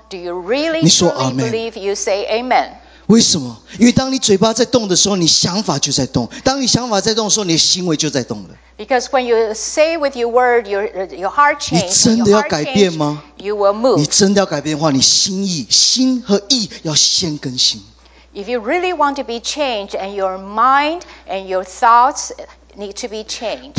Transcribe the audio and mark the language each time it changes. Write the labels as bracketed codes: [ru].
[en] Do you really believe, you say Amen. [zh] 为什么？因为当你嘴巴在动的时候，你想法就在动。当你想法在动的时候，你的行为就在动了。 [en] Because when you say with your word, your heart changes. [zh] 你真的要改变吗？ [en] You will move. [zh] 你真的要改变的话，你心意、心和意要先更新。 [en] If you really want to be changed, and your mind and your thoughts,Need to be changed.